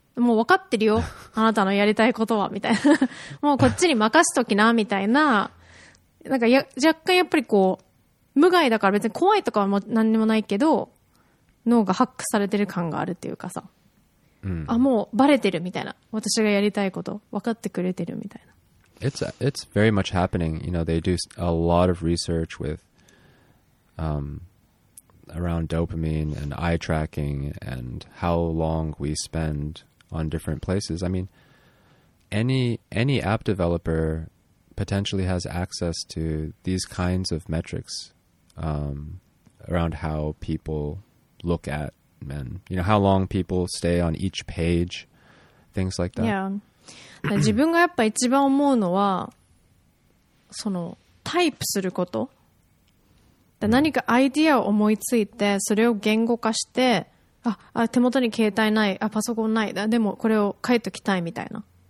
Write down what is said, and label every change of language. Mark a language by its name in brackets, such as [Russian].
[Japanese] もう分かってるよ、あなたのやりたいことは、みたいな。もうこっちに任しときな、みたいな。なんか、若干やっぱりこう、無害だから別に怖いとかは何にもないけど、脳がハックされてる感があるっていうかさ。あ、もうバレてるみたいな。私がやりたいこと、分かってくれてるみたいな。 [English] It's very much happening. You know, they do a lot of research with around dopamine and eye tracking and how long we spend on different places. I mean, any app developer potentially has access to these kinds of metrics around how people look at men. You know, how long people stay on each page, things like that. Yeah. [Japanese] 自分がやっぱ一番思うのは、そのタイプすること。で、何かアイディアを思いついて、それを言語化して、あ、手元に携帯ない、あ、パソコンない、でもこれを書いときたいみたいな。